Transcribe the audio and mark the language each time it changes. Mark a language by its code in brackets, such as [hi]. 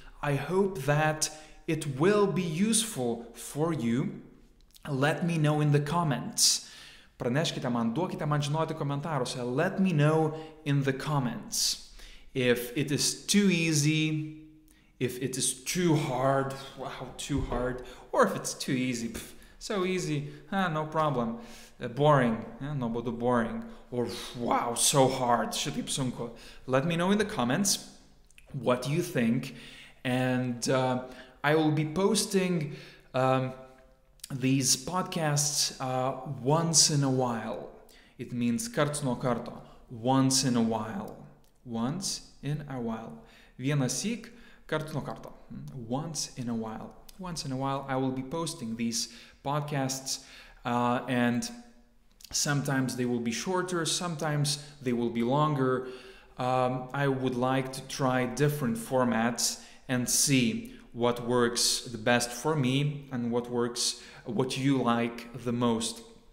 [en] I hope that it will be useful for you. Let me know in the comments. [lt] Praneškite man, duokite man žinoti komentaruose. [en] Let me know in the comments. If it is too easy, if it is too hard, wow, too hard, or if it's too easy, pff, so easy, no problem. Boring, nobody boring. Or wow, so hard, šitaip sunku. Let me know in the comments what you think. And I will be posting these podcasts once in a while. It means karts nuo karto. Once in a while. Once in a while. [lt] Vienąsyk, karts nuo karto. [en] Once in a while. Once in a while I will be posting these podcasts and sometimes they will be shorter, sometimes they will be longer. I would like to try different formats and see what works the best for me and what works, what you like the most.